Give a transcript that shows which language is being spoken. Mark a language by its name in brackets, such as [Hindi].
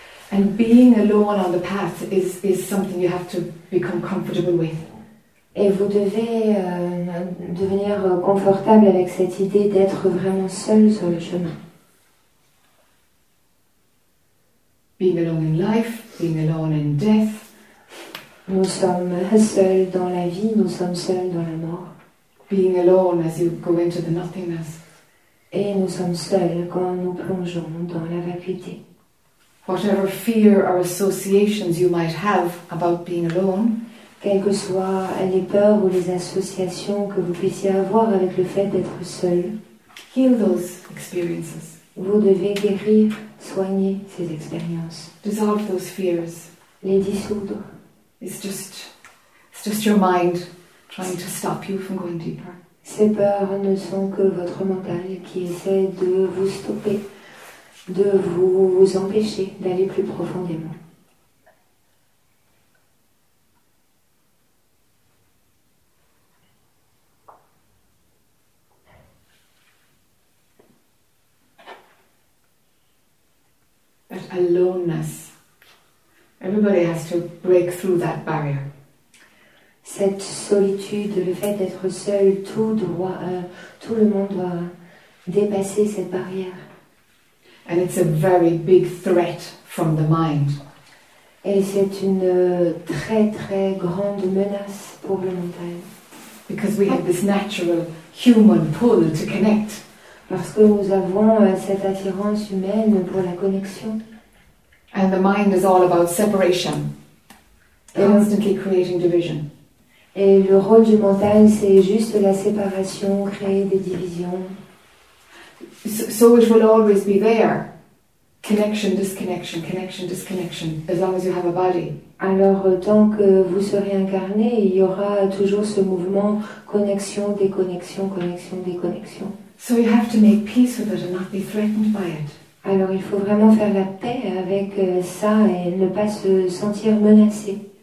[English] And being alone on the path is something you have to become comfortable with. [French] Et vous devez devenir confortable avec cette idée d'être vraiment seul sur le chemin. [English] Being alone in life, being alone in death. [French] Nous sommes seuls dans la vie, nous sommes seuls dans la mort. [English] Being alone as you go into the nothingness. [French] Et nous sommes seuls quand nous plongeons dans la vacuité. [English] Whatever fear or associations you might have about being alone, [French] quelles que soient les peurs ou les associations que vous puissiez avoir avec le fait d'être seul, [English] heal those experiences. [French] Vous devez guérir, soigner ces expériences. [English] Dissolve those fears. [French] Les dissoudre. [English] It's just your mind trying to stop you from going deeper. [French] Ces peurs ne sont que votre mental qui essaie de vous stopper, de vous empêcher d'aller plus profondément. [English] That aloneness. Everybody has to break through that barrier. [French] Cette solitude, le fait d'être seul, tout le monde doit dépasser cette barrière. [English] And it's a very big threat from the mind. [French] Et c'est une très très grande menace pour le mental. [English] Because we have this natural human pull to connect. [French] Parce que nous avons cette attirance humaine pour la connexion. [English] And the mind is all about separation, constantly creating division. [French] Et le rôle du mental, c'est juste la séparation, créer des divisions. [English] So it will always be there. Connection, disconnection, connection, disconnection, as long as you have a body. [French] Alors, tant que vous serez incarné, il y aura toujours ce mouvement connexion, déconnexion, connexion, déconnexion. [English] So you have to make peace with it and not be threatened by it. [French] Alors, il faut vraiment faire la paix avec ça et ne pas se sentir menacé.